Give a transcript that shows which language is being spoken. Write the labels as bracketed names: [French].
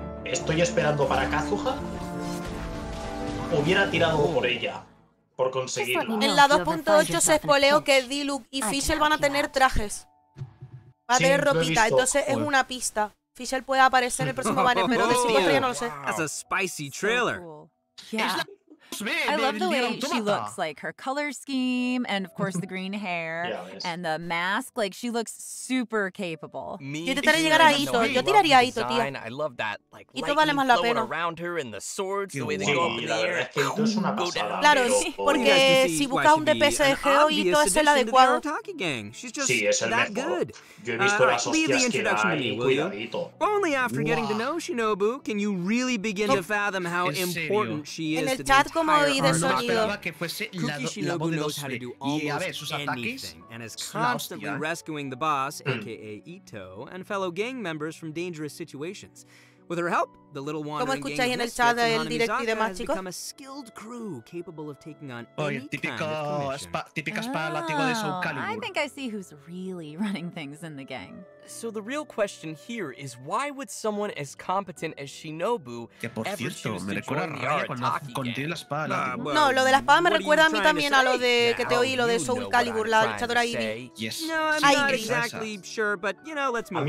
[Spanish] Estoy esperando para Kazuha. Hubiera tirado por ella. Por conseguirla. En la 2.8 se spoileó que Diluc y Fischl van a tener trajes. Va a sí, tener ropita. Entonces es una pista. Fischl puede aparecer en el próximo banner, pero de 5 estrellas no lo sé. [English] That's a spicy trailer. So cool. Yeah. I love the way she looks, like her color scheme, and of course the green hair and the mask. Like, she looks super capable. I love that, like, lightning [Spanish] vale más la [English] flowing [Spanish] pena. [English] Around her and the swords, the way they go up in the air. [Spanish] Claro, porque si busca un DPS de Geo, Ito es el adecuado. Sí, es el mejor. Yo he visto las hostias que hay, cuidadito. [English] Only after getting to know Shinobu can you really begin to fathom how important she is to the entire army. Kuki Shinobu knows how to do almost anything and is constantly rescuing the boss, aka Ito, and fellow gang members from dangerous situations. With her help, the little one who has become a skilled crew capable of taking on any kind of mission. I think I see who's really running things in the gang. So the real question here is, why would someone as competent as Shinobu ever choose to join the Otaku gang? [Spanish] No, lo de la espada me recuerda a mí también a lo de que te oí, lo de Soul Calibur, la luchadora Ivy. [English] No, I'm not exactly sure, but you know, let's move on.